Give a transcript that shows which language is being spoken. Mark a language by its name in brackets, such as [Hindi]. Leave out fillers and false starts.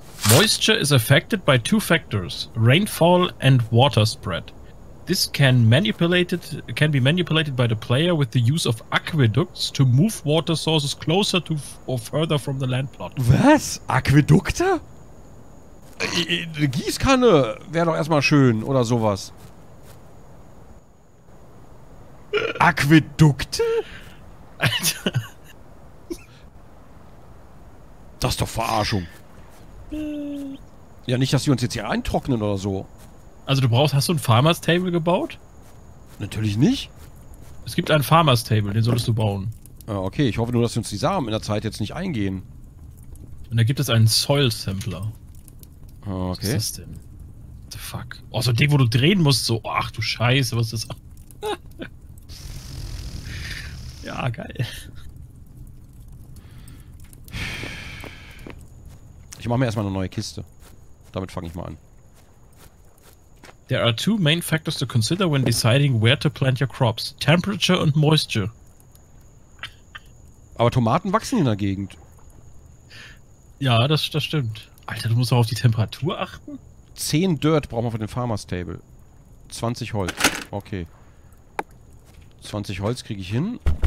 [English] Moisture is affected by two factors. Rainfall and water spread. This can be manipulated by the player with the use of aqueducts to move water sources closer to or further from the land plot. [German] Was? Aquädukte? Eine Gießkanne wäre doch erstmal schön oder sowas. Aquädukte? Alter. Das ist doch Verarschung. Ja, nicht, dass sie uns jetzt hier eintrocknen oder so. Also hast du ein Farmer's Table gebaut? Natürlich nicht. Es gibt ein Farmer's Table, den solltest du bauen. Okay, ich hoffe nur, dass wir uns die Samen in der Zeit jetzt nicht eingehen. Und da gibt es einen Soil Sampler. Okay. Was ist das denn? [English] What the fuck? [German] Oh, so den, wo du drehen musst, so, ach du Scheiße, was ist das? Ja, geil. Ich mache mir erstmal eine neue Kiste. Damit fange ich mal an. [English] There are two main factors to consider when deciding where to plant your crops. Temperature and moisture. [German] Aber Tomaten wachsen in der Gegend. Ja, das stimmt. Alter, du musst auch auf die Temperatur achten? 10 Dirt brauchen wir für den Farmer's Table. 20 Holz. Okay. 20 Holz kriege ich hin.